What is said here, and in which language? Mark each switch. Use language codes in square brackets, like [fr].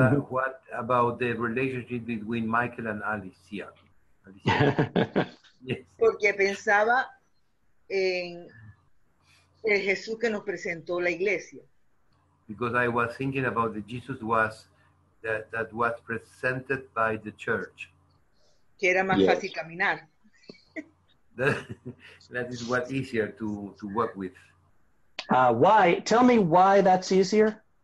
[en] What about the relationship between Michael and Alicia? Alicia. Yes. [es] Porque pensaba en el Jesús que nos presentó la iglesia. [en] Because I was thinking about the Jesus that was presented by the church. [es] Que era más fácil caminar. [en] That is what easier to work with. Why? Tell me why that's easier.